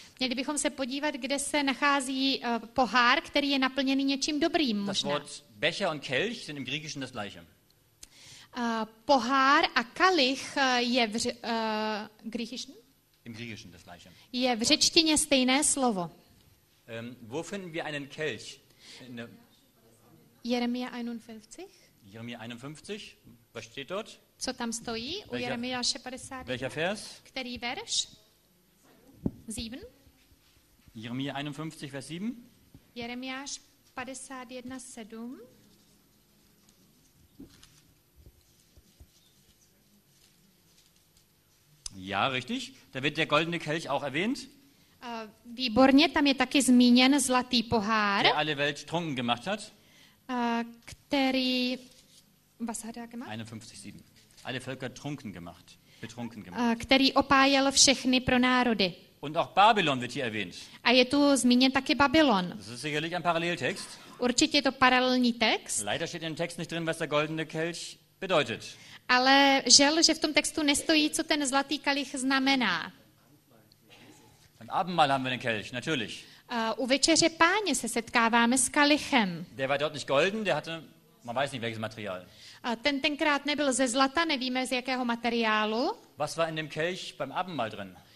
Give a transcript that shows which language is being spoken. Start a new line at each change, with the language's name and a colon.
Czech: Měli bychom se podívat, kde se nachází pohár, který je naplněný něčím dobrým, možná.
German: Das Wort Becher und Kelch sind im Griechischen das gleiche.
Czech: Pohár a kalich je v
German: griechischen? Im griechischen das gleiche.
Czech: Je v řečtině stejné slovo.
German: Wo finden wir einen Kelch? Jeremia 51. Jeremia 51. Was steht dort?
Czech: Co tam stojí? U Jeremiáše 50.
German: Welcher Vers?
Czech: Který verš? 7.
German: Jeremia 51, Vers 7.
Czech: Jeremiáš 51, 7.
German: Ja, richtig. Da wird der goldene Kelch auch erwähnt.
Czech: Výborně, tam je taky zmíněn zlatý pohár.
German: Der alle Welt trunken gemacht hat.
Czech: Který,
German: was hat er gemacht?
Czech: 51,7.
German: Alle Völker trunken gemacht, betrunken gemacht.
Czech: Který opájel všechny pro národy.
German: Und auch Babylon wird hier erwähnt.
Czech: A je tu zmíněn taky Babylon.
German: Das ist sicherlich ein Paralleltext.
Czech: Určitě je to paralelní text.
German: Leider steht in dem Text nicht drin, was der goldene Kelch bedeutet.
Czech: Ale žel, že v tom textu nestojí, co ten zlatý kalich znamená.
German: Beim Abendmahl haben wir den Kelch, natürlich.
Czech: U večeře páně se setkáváme s kalichem.
German: Der war dort nicht golden, der hatte, man weiß nicht welches Material.
Czech: Ten tenkrát nebyl ze zlata, nevíme z jakého materiálu.
German: Was war in dem Kelch beim Abendmahl drin?